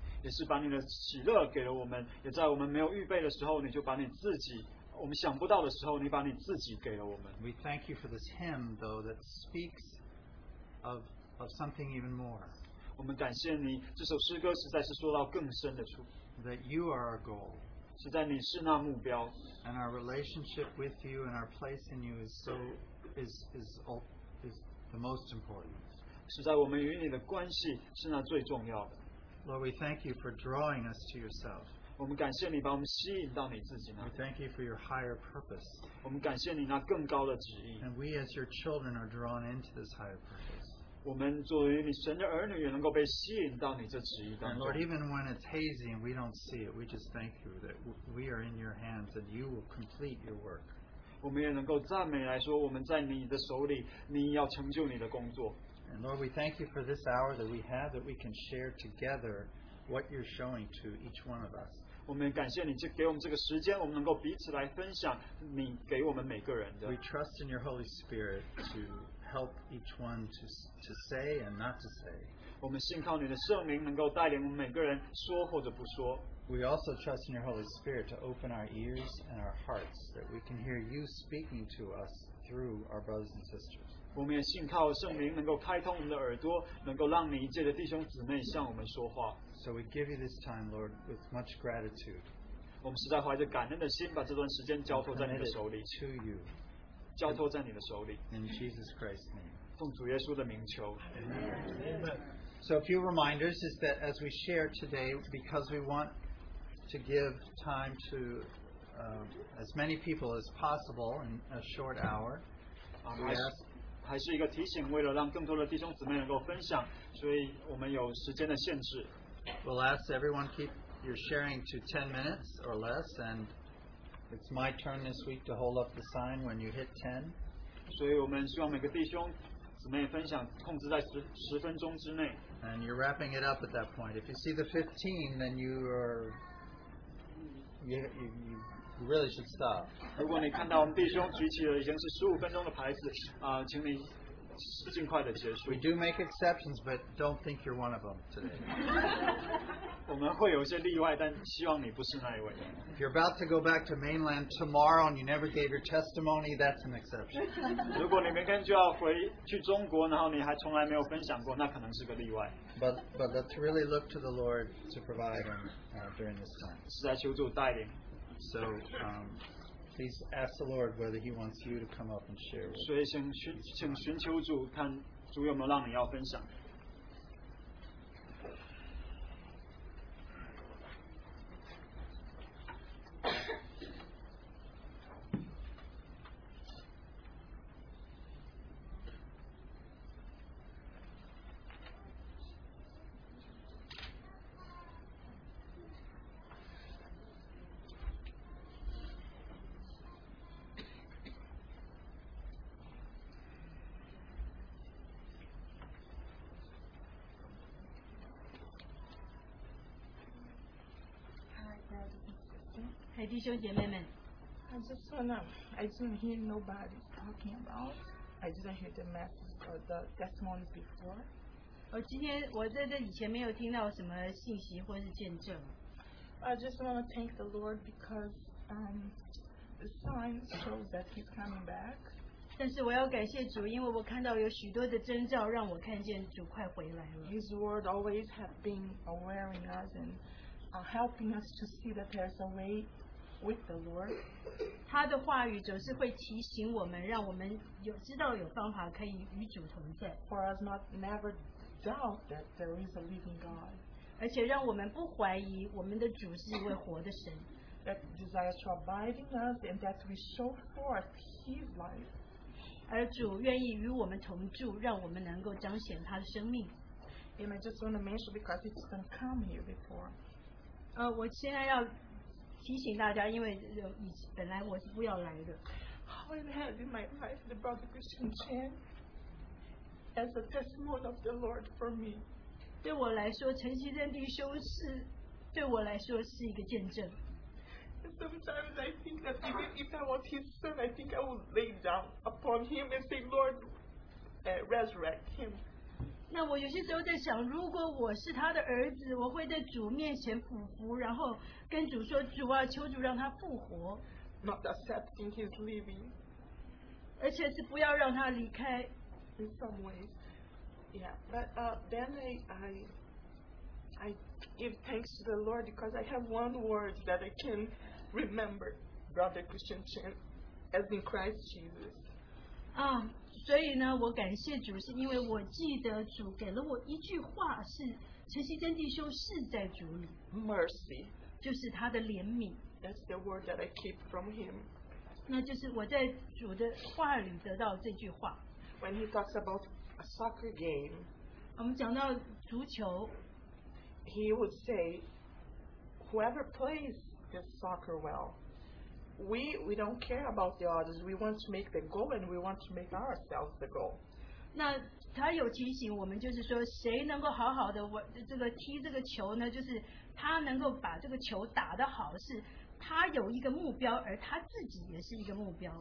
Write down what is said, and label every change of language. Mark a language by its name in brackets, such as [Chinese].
[Chinese] 也是把你的喜乐给了我们，也在我们没有预备的时候，你就把你自己。我们想不到的时候，你把你自己给了我们。 [English] We thank you for this hymn, though, that speaks of something even more. [Chinese] 我们感谢你，这首诗歌实在是说到更深的处。 [English] That you are our goal. [Chinese] 实在你是那目标。 [English] And our relationship with you and our place in you is so is the most important. [Chinese] 实在我们与你的关系是那最重要的。 [English] Lord, we thank you for drawing us to yourself. [Chinese] 我们感谢你把我们吸引到你自己那里。 [English] We thank you for your higher purpose. [Chinese] 我们感谢你那更高的旨意。 [English] And we as your children are drawn into this higher purpose. [Chinese] 我们作为你神的儿女也能够被吸引到你这旨意当中。 [English] And Lord, even when it's hazy and we don't see it, we just thank you that we are in your hands and you will complete your work. [Chinese] 我们也能够赞美来说我们在你的手里，你要成就你的工作。 [English] And Lord, we thank you for this hour that we have, that we can share together what you're showing to each one of us. [Chinese] 我们感谢你就给我们这个时间，我们能够彼此来分享你给我们每个人的。 [English] We trust in your Holy Spirit to help each one to say and not to say. [Chinese] 我们信靠你的圣灵能够带领我们每个人说或者不说。 [English] We also trust in your Holy Spirit to open our ears and our hearts that we can hear you speaking to us through our brothers and sisters. [Chinese] 我们也信靠圣灵能够开通我们的耳朵，能够让每一届的弟兄姊妹向我们说话。 [English] So we give you this time, Lord, with much gratitude. [Chinese] 我们实在怀着感恩的心，把这段时间交托在你的手里。 [English] To you, [Chinese] 交托在你的手里。 [English] In Jesus Christ's name, [Chinese] 奉主耶稣的名求。 [English] Amen. So a few reminders is that as we share today, because we want to give time to as many people as possible in a short hour, we ask. [Chinese] 还是一个提醒，为了让更多的弟兄姊妹能够分享，所以我们有时间的限制。 [English] We'll ask everyone keep your sharing to 10 minutes or less, and it's my turn this week to hold up the sign when you hit 10. [Chinese] 所以我们希望每个弟兄姊妹分享控制在十分钟之内。 [English] And you're wrapping it up at that point. If you see the 15, then you really should stop. [Chinese] 如果你看到我们弟兄举起了已经是十五分钟的牌子，请你尽快的结束。 [English] We do make exceptions, but don't think you're one of them today. [Chinese] 我们会有一些例外，但希望你不是那一位。 [English] If you're about to go back to mainland tomorrow and you never gave your testimony, that's an exception. [Chinese] 如果你明天就要回去中国，然后你还从来没有分享过，那可能是个例外。 [English] But let's really look to the Lord to provide him during this time. [Chinese] 实在求助带领。 [English] So, please ask the Lord whether He wants you to come up and share with us. [Chinese] 请寻求主，看主有没有让你要分享。弟兄姐妹们 [English] I just wanna, I didn't hear nobody talking about. I didn't hear the message, the testimony before. [Chinese] 我今天我在这以前没有听到什么信息或是见证。 [English] I just wanna thank the Lord because the signs show that He's coming back. [Chinese] 但是我要感谢主，因为我看到有许多的征兆让我看见主快回来了。 [English] His word always have been awaring us and helping us to see that there's a way. With the Lord, [Chinese] 他的话语总是会提醒我们，让我们有知道有方法可以与主同在。 [English] For us not never doubt that there is a living God. [Chinese] 而且让我们不怀疑我们的主是一位活的神。 [English] That desires to abide in us and that we show forth His life. [Chinese] 而主愿意与我们同住，让我们能够彰显他的生命。 [English] And I just want to mention because it's going to come here before. [Chinese] 我现在要提醒大家，因为本来我是不要来的。 [English] How it has in my life, the brother Christian Chan, as a testimony of the Lord for me. [Chinese] 对我来说，陈其正弟兄是对我来说是一个见证。 [English] Sometimes I think that even if I was his son, I think I would lay down upon him and say, Lord, resurrect him. [Chinese] 那我有些时候在想，如果我是他的儿子，我会在主面前俯伏，然后跟主说，主啊，求主让他复活。 [English] Not accepting his leaving. [Chinese] 而且是不要让他离开。 [English] In some ways, yeah. But then I give thanks to the Lord because I have one word that I can remember, Brother Christian Chan, as in Christ Jesus. [Chinese] 所以呢，我感谢主，是因为我记得主给了我一句话，是陈锡珍弟兄是在主里。 [English] Mercy. [Chinese] 就是他的怜悯。 [English] That's the word that I keep from him. [Chinese] 那就是我在主的话里得到这句话。 [English] When he talks about a soccer game. [Chinese] 我们讲到足球。 [English] He would say, whoever plays this soccer well, we don't care about the others. We want to make the goal and we want to make ourselves the goal. [Chinese] 那他有提醒我们，就是说谁能够好好的这个踢这个球呢？就是他能够把这个球打得好，是他有一个目标，而他自己也是一个目标。